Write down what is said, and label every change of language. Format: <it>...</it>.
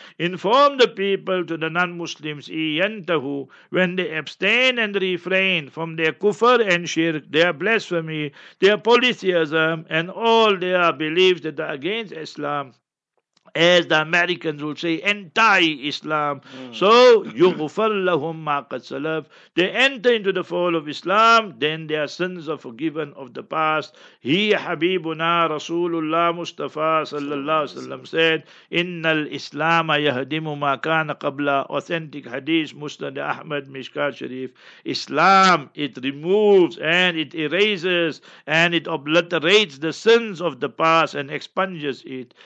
<en>Inform the people to the non-Muslims, إِيَنْتَهُ, when they abstain and refrain from their kufr and shirk, their blasphemy, their polytheism, and all their beliefs that are against Islam, as the Americans will say, anti-Islam.</en> <ar>So, يُغْفَرْ لَهُمْ مَا قَدْ سَلَفْ.</ar> <en>They enter into the fold of Islam, then their sins are forgiven of the past. He, Habibuna, Rasulullah Mustafa, sallallahu alaihi wasallam, said,</en> <ar>إِنَّ الْإِسْلَامَ يَهْدِمُ مَا كَانَ قَبْلَ.</ar> <en>Authentic hadith, Musnad Ahmad, Mishkat Sharif. Islam, it removes and it erases and it obliterates the sins of the past and expunges it.</en>